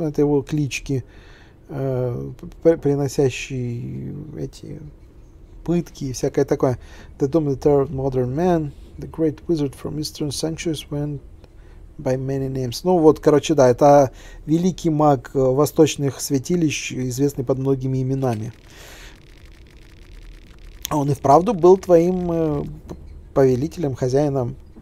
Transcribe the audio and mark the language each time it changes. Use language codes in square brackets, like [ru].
[ru] Это его клички, приносящие эти пытки и всякое такое. [en] The Doom of the Terror of Modern Man, the Great Wizard from Eastern Sanctuaries went by many names. [ru] Ну вот, короче, да, это великий маг восточных святилищ, известный под многими именами. Он и вправду был твоим повелителем, хозяином.